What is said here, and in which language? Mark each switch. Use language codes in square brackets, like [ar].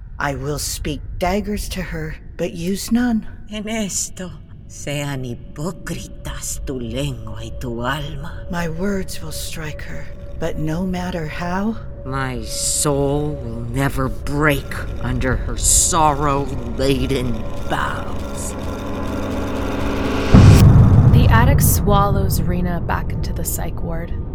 [en] I will speak daggers to her, but use none. [es] En esto, sean hipócritas tu lengua y tu alma. [en] My words will strike her, but no matter how, my soul will never break under her sorrow-laden bows. The attic swallows Rina back into the psych ward.